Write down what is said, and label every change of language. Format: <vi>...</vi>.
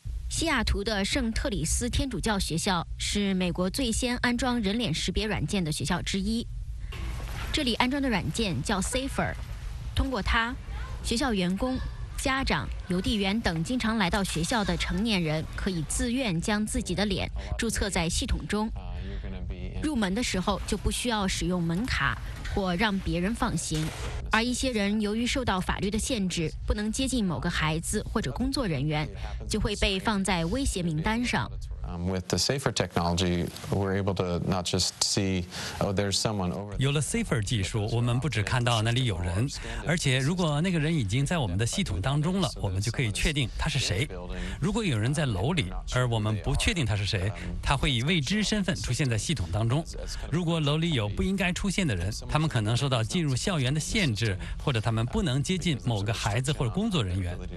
<zh>西雅图的圣特里斯天主教学校是美国最先安装人脸识别软件的学校之一，这里安装的软件叫 Safer， 通过它，学校员工、家长、邮递员等经常来到学校的成年人可以自愿将自己的脸注册在系统中，入门的时候就不需要使用门卡或让别人放行。而一些人由于受到法律的限制，不能接近某个孩子或者工作人员，就会被放在威胁名单上。</zh> <en>With the Safer technology, we're able to not just see, oh, there's someone over there.</en> <zh>有了 Safer 技术，我们不只看到那里有人，而且如果那个人已经在我们的系统当中了，我们就可以确定他是谁。如果有人在楼里，而我们不确定他是谁，他会以未知身份出现在系统当中。如果楼里有不应该出现的人，他们可能受到进入校园的限制，或者他们不能接近某个孩子或者工作人员。</zh>